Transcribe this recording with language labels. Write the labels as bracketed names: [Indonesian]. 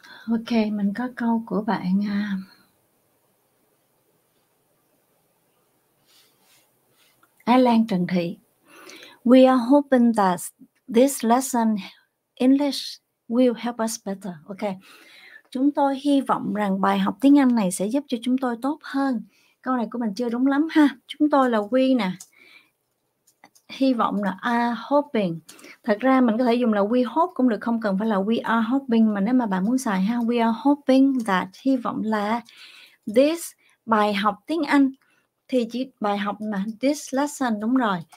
[Vietnamese] Ok, mình có câu của bạn Ái Lan Trần Thị. [English] We are hoping that this lesson English will help us better. [Vietnamese] Ok, chúng tôi hy vọng rằng bài học tiếng Anh này sẽ giúp cho chúng tôi tốt hơn. Câu này của mình chưa đúng lắm ha. Chúng tôi là we nè. Hy vọng là are hoping. Thật ra mình có thể dùng là we hope cũng được, không cần phải là we are hoping, mà nếu mà bạn muốn xài ha, [English] we are hoping that, [Vietnamese] hy vọng là this bài học tiếng Anh thì chỉ bài học mà this lesson, đúng rồi.